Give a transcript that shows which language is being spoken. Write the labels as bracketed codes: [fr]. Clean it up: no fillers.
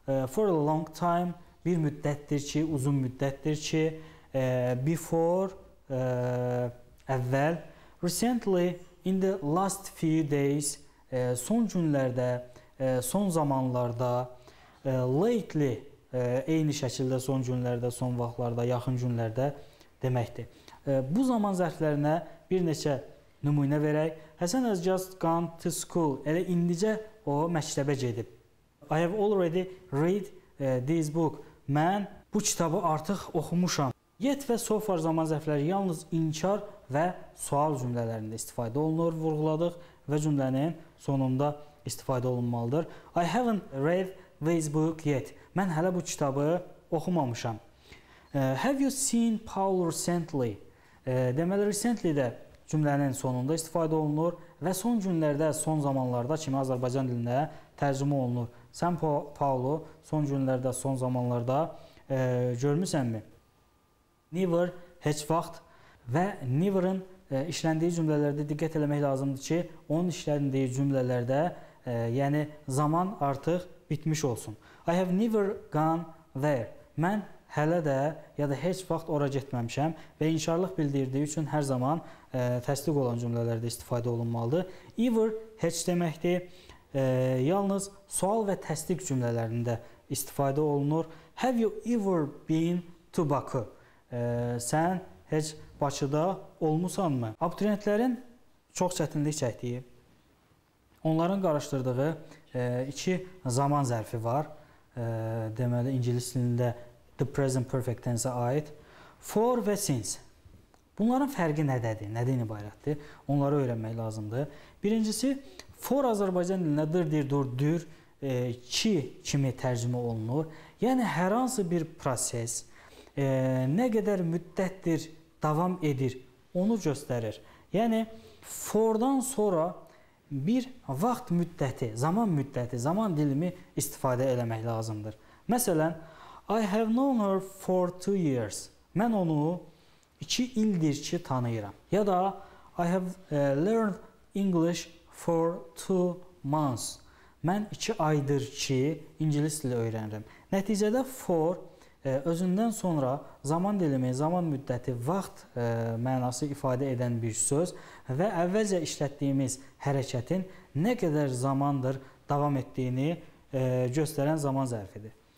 [en] For a long time, [az] bir müddətdir ki, uzun müddətdir ki, before, əvvəl, recently, [en] in the last few days, [az] son günlərdə, son zamanlarda, lately, eyni şəkildə son günlərdə, son vaxtlarda, yaxın günlərdə deməkdir. Bu zaman zərflərinə bir neçə nümunə verək. [en] Həsən has just gone to school. [az] Elə indicə o məktəbə gedib. [en] I have already read this book. [az] Mən bu kitabı artıq oxumuşam. Yet və so far zaman zərfləri yalnız inkar və sual cümlələrində istifadə olunur, vurğuladıq və cümlənin sonunda istifadə olunmalıdır. [en] I haven't read this book yet. [az] Mən hələ bu kitabı oxumamışam. [en] Have you seen Paul recently? [az] Deməli, recently də cümlənin sonunda istifadə olunur və son günlərdə, son zamanlarda kimi Azərbaycan dilində tərcümə olunur. Sən Paulu son günlərdə, son zamanlarda görmüsənmi? Never, heç vaxt və never'ın işləndiyi cümlələrdə diqqət eləmək lazımdır ki, onun işləndiyi cümlələrdə, yəni zaman artıq bitmiş olsun. [en] I have never gone there. [az] Mən hələ də ya da heç vaxt ora getməmişəm və inkarlıq bildirdiyi üçün hər zaman təsdiq olan cümlələrdə istifadə olunmalıdır. Ever heç deməkdir, yalnız sual və təsdiq cümlələrində istifadə olunur. [en] Have you ever been to Bakı? [az] Sən heç Bakıda olmusan mı? Abituriyentlərin çox çətinlik çəkdiyi, onların qarışdırdığı iki zaman zərfi var. Deməli, ingilis dilində the present perfect tense-ə aid. For və since. Bunların fərqi nədədir? Nədən ibarətdir? Onları öyrənmək lazımdır. Birincisi, for Azərbaycan dilində dır, ki kimi tərcümə olunur. Yəni, hər hansı bir proses nə qədər müddətdir davam edir, onu göstərir. Yəni, fordan sonra bir vaxt müddəti, zaman dilimi istifadə eləmək lazımdır. [en] Məsələn, I have known her for 2 years. [az] Mən onu 2 ildir ki tanıyıram. [en] Ya da I have learned English for 2 months. [az] Mən 2 aydır ki ingilis dili öyrənirəm. Nəticədə for özünden sonra zaman dilimi, zaman müddəti, vaxt mənası ifadə edən bir söz və əvvəlcə işlətdiyimiz hərəkətin nə qədər zamandır davam etdiyini göstərən zaman zərfidir.